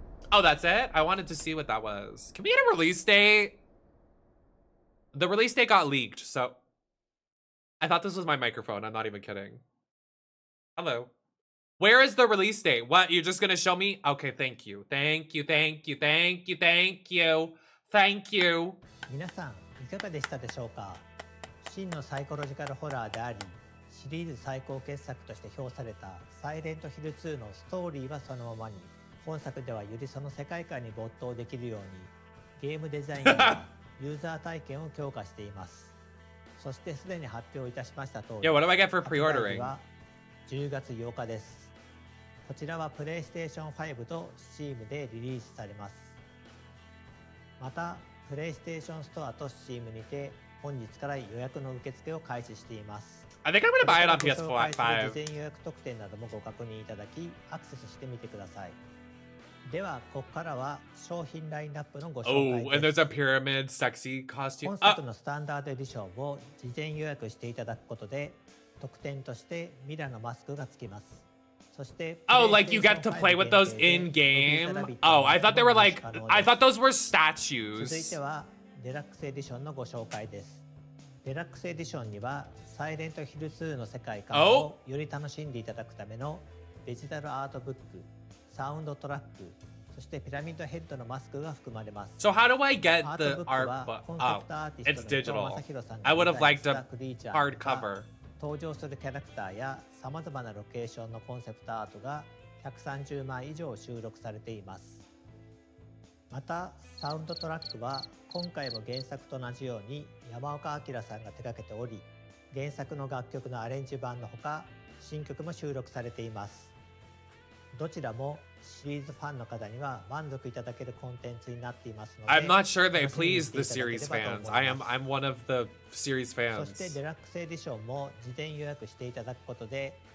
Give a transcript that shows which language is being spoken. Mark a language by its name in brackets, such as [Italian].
[English] Oh, that's it? I wanted to see what that was. Can we get a release date? The release date got leaked, so. I thought this was my microphone. I'm not even kidding. Hello. Where is the release date? What, you're just gonna show me? Okay, thank you. Thank you, thank you, thank you, thank you. Thank you. [Japanese] 皆さん、いかがでしたでしょうか？真のサイコロジカルホラーであり、シリーズ最高傑作として評されたサイレントヒル2のストーリーはそのままに、本作ではよりその世界観に没頭できるように、ゲームデザインやユーザー体験を強化しています。そしてすでに発表いたしました通り、 [English] Yeah, what do I get for pre-ordering? [Japanese] 10月8日です。こちらはプレイステーション5と Steam でリリースされます。また、プレイステーションストアと Steam にて本日から予約の受付を開始しています。 [English] I think I'm gonna buy it on PS5. [Japanese] 事前予約特典などもご確認いただき、アクセスしてみてください。では、ここからは商品ラインナップのご紹介です。 [English] Oh, and there's a pyramid sexy costume. [Japanese] 本作のスタンダードエディションを事前予約していただくことで、特典としてミラのマスクがつきます。そして、 [English] Oh, like you get to play with those in game? Oh, I thought they were like, I thought those were statues. [Japanese] 続いてはデラックスエディションのご紹介です。デラックスエディションにはサイレントヒル2の世界観をより楽しんでいただくためのデジタルアートブック、サウンドトラック、そしてピラミッドヘッドのマスクが含まれます。 [English] So how do I get the art book? Oh, it's digital. I would have liked a hardcover. [Japanese] 登場するキャラクターや様々なロケーションのコンセプトアートが130枚以上収録されています。またサウンドトラックは今回も原作と同じように山岡明さんが手掛けており、原作の楽曲のアレンジ版のほか新曲も収録されています。どちらもシリーズファンの方には満足いただけるコンテンツになっていますので、 [English] I'm not sure they please the series fans. I'm one of the series fans. [Japanese] そしてデラックスエディションも事前予約していただくことで、